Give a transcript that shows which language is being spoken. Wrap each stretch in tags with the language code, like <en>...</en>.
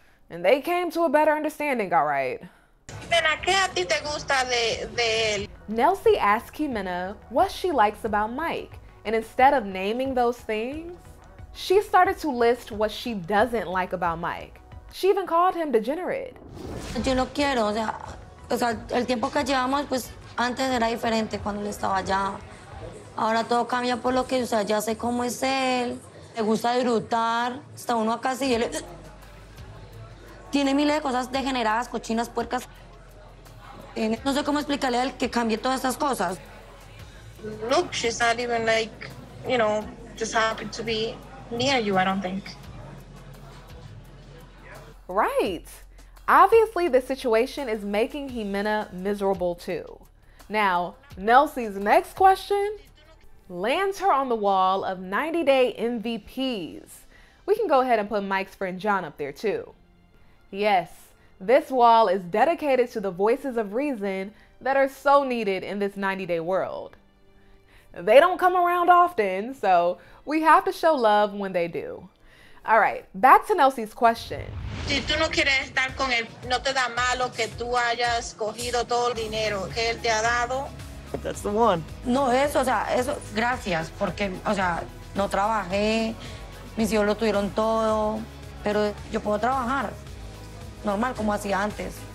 <en>And they came to a better understanding, all right. Nelcy asks Ximena what she likes about Mike, and instead of naming those things, she started to list what she doesn't like about Mike. She even called him degenerate.</en> <es>Yo lo quiero, o sea, el tiempo que llevamos, pues antes era diferente cuando él estaba allá. Ahora todo cambia por lo que, o sea, ya sé cómo es él. Le gusta disfrutar, está uno acá así y él tiene miles de cosas degeneradas, cochinas, puercas. No sé cómo explicarle a él que cambie todas estas cosas.</es> <en>Look, she's not even like, you know, just happy to be near you, I don't think. Right. Obviously, the situation is making Ximena miserable too. Now, Nelcy's next question lands her on the wall of 90-day MVPs. We can go ahead and put Mike's friend John up there too. Yes, this wall is dedicated to the voices of reason that are so needed in this 90-day world. They don't come around often, so we have to show love when they do. All right, back to Nelcy's question.</en> <es>Si tú no quieres estar con él, no te da malo que tú hayas cogido todo el dinero que él te ha dado.</es> <en>That's the one.</en> <es>No, eso, o sea, eso, gracias, porque, o sea, no trabajé, mis hijos lo tuvieron todo, pero yo puedo trabajar normal como hacía antes.</es>